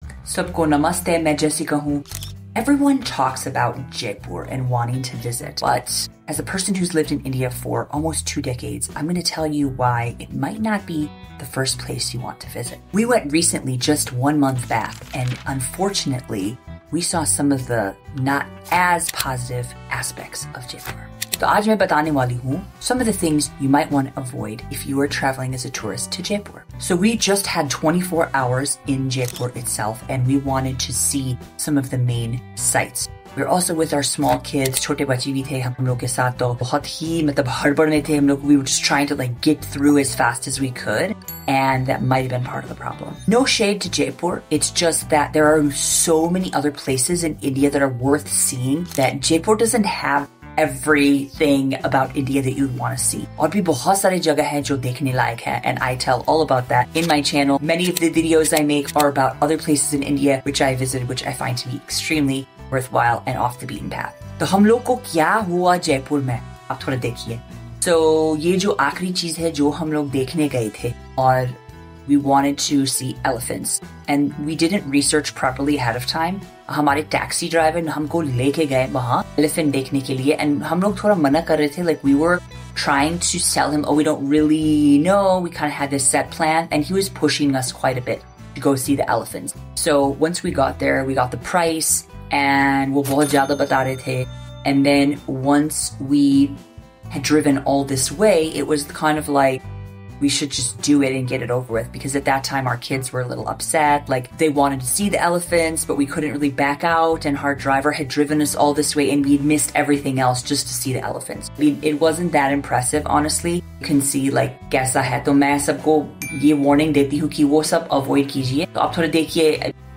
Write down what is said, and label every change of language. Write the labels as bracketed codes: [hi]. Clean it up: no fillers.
[hi] सबको नमस्ते, मैं Jessica हूँ। [en] Everyone talks about Jaipur and wanting to visit, but as a person who's lived in India for almost 2 decades, I'm going to tell you why it might not be the first place you want to visit. We went recently, just 1 month back, and unfortunately, we saw some of the not as positive aspects of Jaipur. So [hi] aaj main batane wali hoon [en] some of the things you might want to avoid if you are traveling as a tourist to Jaipur. So we just had 24 hours in Jaipur itself, and we wanted to see some of the main sights. We were also with our small kids, [hi] छोटे बच्ची भी थे हम लोग [en] के साथ, तो बहुत ही मतलब हड़बड़ में थे हम लोग। We were just trying to like get through as fast as we could, and that might have been part of the problem. No shade to Jaipur, it's just that there are so many other places in India that are worth seeing that Jaipur doesn't have everything about India that you'd want to see. [hi] और भी बहुत सारे जगह है जो देखने लायक है, [en] and I tell all about that in my channel. Many of the videos I make are about other places in India which I visited, which I find to be extremely worthwhile and off the beaten path. [hi] तो हम लोग को क्या हुआ जयपुर में, आप थोड़ा देखिए। [en] So [hi] ये जो आख़िरी चीज़ है जो हम लोग देखने गए थे, [en] और we wanted to see elephants, and we didn't research properly ahead of time. [hi] हमारे टैक्सी ड्राइवर ने हमको लेके गए वहाँ एलिफ़ेंट देखने के लिए, [en] and [hi] हम लोग थोड़ा मना कर रहे थे, [en] like we were trying to sell him, oh we don't really know, we kind of had this set plan, and he was pushing us quite a bit to go see the elephants. So once we got there, we got the price, and [hi] wo bahut zyada bata rahe the, [en] and then once we had driven all this way, it was kind of like we should just do it and get it over with, because at that time our kids were a little upset, like they wanted to see the elephants but we couldn't really back out, and our driver had driven us all this way and we'd missed everything else just to see the elephants. I mean, it wasn't that impressive honestly. You can see like [hi] कैसा है, तो मैं सबको ये warning देती हू कि वो सब अवॉइड कीजिए, तो आप थोड़ा देखिए।